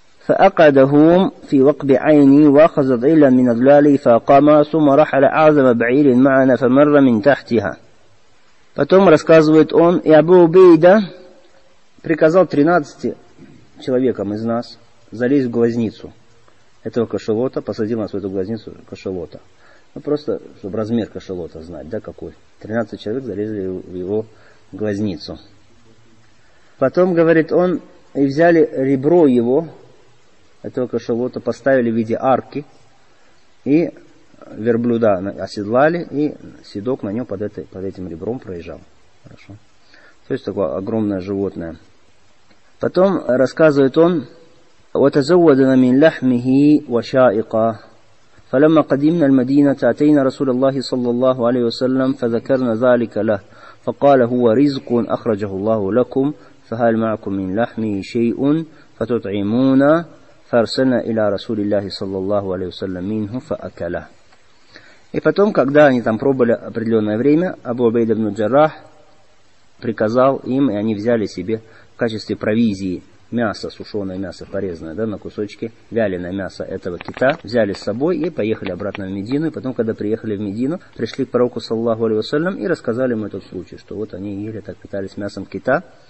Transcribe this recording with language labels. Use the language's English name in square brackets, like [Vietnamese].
[Arabic] فأقعدهم في وقب عيني وأخذ ظلا من ظلالي فقام ثم رحل أعظم بعير معنا فمر من تحتها. [Russian] Потом рассказывает он, и Абу Убейда приказал 13 человекам из нас залезть в глазницу этого кашалота, посадил нас в эту глазницу кашалота. Ну просто, чтобы размер кашалота знать, да, какой. 13 человек залезли в его глазницу. Потом, говорит он, и взяли ребро его, этого кашалота, поставили в виде арки, и верблюда оседлали, и седок на нем под этим ребром проезжал. Хорошо. То есть такое огромное животное. [Arabic] Потом рассказывает он, وَتَزَوَّدْنَا مِنْ لَحْمِهِ وَشَائِقَ فَلَمَّا قَدِمْنَا الْمَدِينَةَ أَتَيْنَا رَسُولَ اللَّهِ صَلَّى اللَّهُ عَلَيْهِ وَسَلَّمَ فَذَكَرْنَا ذَلِكَ لَهُ فَقَالَ هُوَ رِزْقٌ أَخْرَجَهُ اللَّهُ لَكُمْ فَهَلْ مَعَكُمْ مِنْ لَحْمِهِ شَيْءٌ فَتُطْعِمُونَ فَرْسَلْنَا إِلَى رَسُولِ اللَّهِ صَلَّى اللَّهُ عَلَيْهِ وَسَلَّمْ مِنْهُ فَأَكَلَهُ. [Russian] И потом, когда они там пробовали определенное время, Абу Убейда ибн Джаррах приказал им, и они взяли себе в качестве провизии мясо, сушеное мясо, порезанное, да, на кусочки, вяленое мясо этого кита, взяли с собой и поехали обратно в Медину. И потом, когда приехали в Медину, пришли к пророку, саллаллаху алейхи ва саллям, и рассказали ему этот случай, что вот они ели так, питались мясом кита.